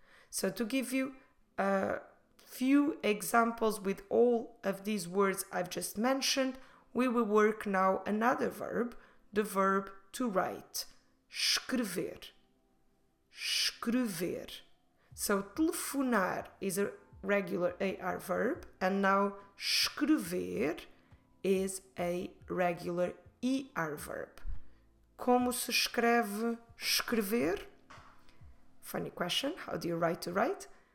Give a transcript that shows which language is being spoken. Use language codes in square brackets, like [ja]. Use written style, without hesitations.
[en] So to give you a few examples with all of these words I've just mentioned, we will work now another verb, the verb to write. [pt] Escrever. Escrever. [en] So telefonar is a regular AR verb, and now escrever is a regular ER verb. [pt] Como se escreve escrever? [en] Funny question, how do you write to write?